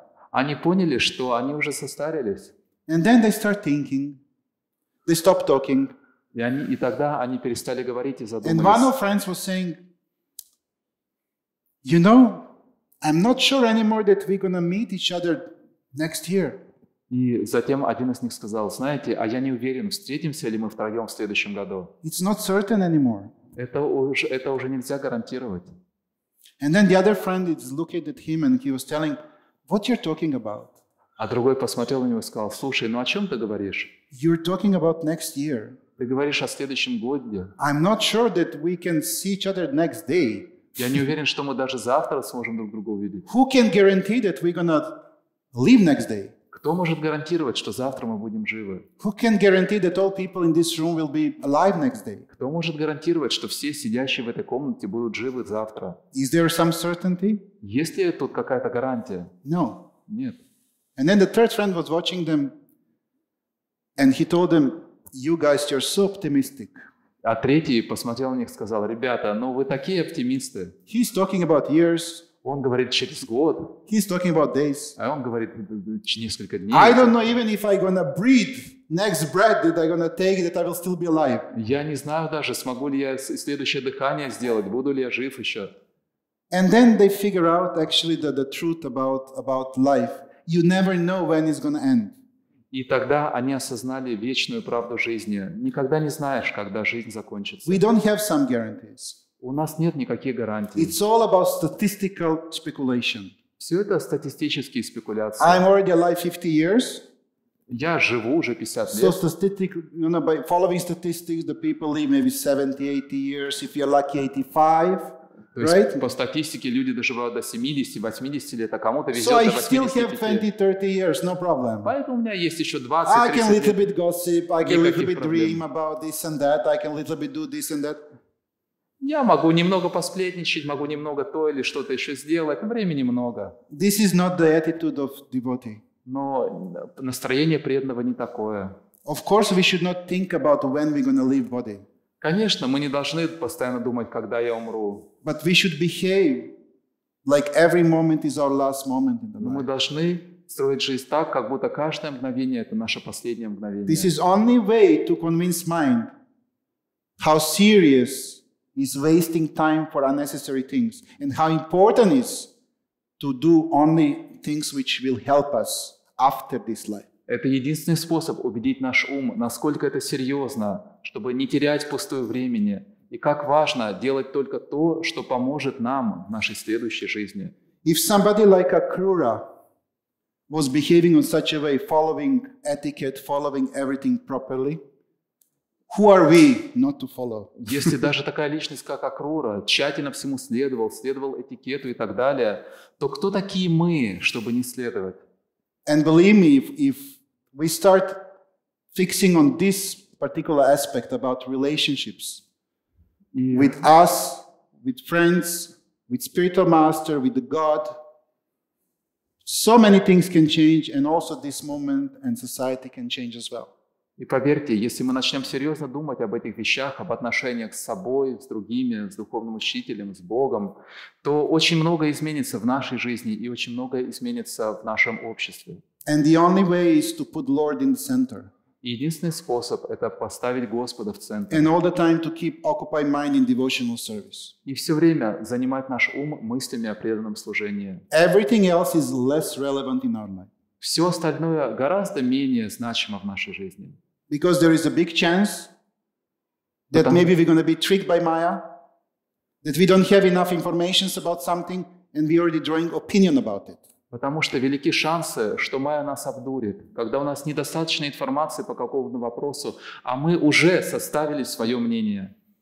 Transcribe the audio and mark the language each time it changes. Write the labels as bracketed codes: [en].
[ru] Они поняли, что они уже состарились. И тогда они перестали говорить и задумались. [en] I'm not sure anymore that we're gonna meet each other next year. [ru] И затем один из них сказал, знаете, а я не уверен, встретимся ли мы втроем в следующем году. [en] It's not certain anymore. [ru] Это уже нельзя гарантировать. [en] And then the other friend is looking at him and he was telling, what you're talking about? [ru] А другой посмотрел на него и сказал, слушай, ну о чем ты говоришь? [en] You're talking about next year. [ru] Ты говоришь о следующем году. [en] I'm not sure that we can see each other next day. [ru] Я не уверен, что мы даже завтра сможем друг друга увидеть. [en] Who can guarantee that we're gonna live next day? [ru] Кто может гарантировать, что завтра мы будем живы? [en] Who can guarantee that all people in this room will be alive next day? [ru] Кто может гарантировать, что все сидящие в этой комнате будут живы завтра? [en] Is there some certainty? [ru] Есть ли тут какая-то гарантия? [en] No. [ru] Нет. [en] And then the third friend was watching them, and he told them, "You guys, you're so optimistic." [ru] А третий посмотрел на них и сказал, ребята, ну вы такие оптимисты. [en] He's talking about years. [ru] Он говорит через год. [en] He's talking about days. [ru] А он говорит несколько дней. [en] I don't know even if I'm gonna breathe next breath that I'm gonna take that I will still be alive. [ru] Я не знаю даже, смогу ли я следующее дыхание сделать, буду ли я жив еще. [en] And then they figure out actually the truth about life. You never know when it's gonna end. [ru] И тогда они осознали вечную правду жизни. Никогда не знаешь, когда жизнь закончится. [en] We don't have some guarantees. [ru] У нас нет никаких гарантий. [en] It's all about statistical speculation. [ru] Все это статистические спекуляции. [en] I'm already alive 50 years. [ru] Я живу уже 50 лет. [en] So statistically, you know, by following statistics, the people live maybe 70, 80 years. If you're lucky, 85. [ru] То есть right? по статистике люди доживают до 70-80 лет, а кому-то везет до 80 лет. Поэтому у меня есть еще 20-30 лет. [en] I can a little bit gossip, I can a little bit dream about this and that, I can a little bit do this and that. [ru] Я могу немного посплетничать, могу немного то или что-то еще сделать, но времени много. [en] This is not the attitude of devotee. [ru] Но настроение преданного не такое. [en] Of course, we should not think about when we're going to leave body. [ru] Конечно, мы не должны постоянно думать, когда я умру. [en] But we should behave like every moment is our last moment in the life. [ru] Мы должны строить жизнь так, как будто каждое мгновение это наше последнее мгновение. [en] This is only way to convince mind how serious is wasting time for unnecessary things and how important it is to do only things which will help us after this life. [ru] Это единственный способ убедить наш ум, насколько это серьезно, чтобы не терять пустое времени, и как важно делать только то, что поможет нам в нашей следующей жизни. [en] If somebody like Akrura was behaving in such a way, following etiquette, following everything properly, who are we not to follow? [ru] Если даже такая личность, как Акрура, тщательно всему следовал, следовал этикету и так далее, то кто такие мы, чтобы не следовать? [en] And believe me, if we start fixing on this particular aspect about relationships with us, with friends, with spiritual master, with the God, so many things can change, and also this moment and society can change as well. [ru] И поверьте, если мы начнем серьезно думать об этих вещах, об отношениях с собой, с другими, с духовным учителем, с Богом, то очень многое изменится в нашей жизни и очень многое изменится в нашем обществе. [en] And the only way is to put Lord in the center. [ru] Единственный способ – это поставить Господа в центр. [en] And all the time to keep occupy mind in devotional service. [ru] И все время занимать наш ум мыслями о преданном служении. [en] Everything else is less relevant in our mind. [ru] Все остальное гораздо менее значимо в нашей жизни. [en] Because there is a big chance that maybe we're going to be tricked by Maya, that we don't have enough information about something and we already drawing opinion about it. [ru] Потому что велики шансы, что Майя нас обдурит, когда у нас недостаточно информации по какому-то вопросу, а мы уже составили свое мнение.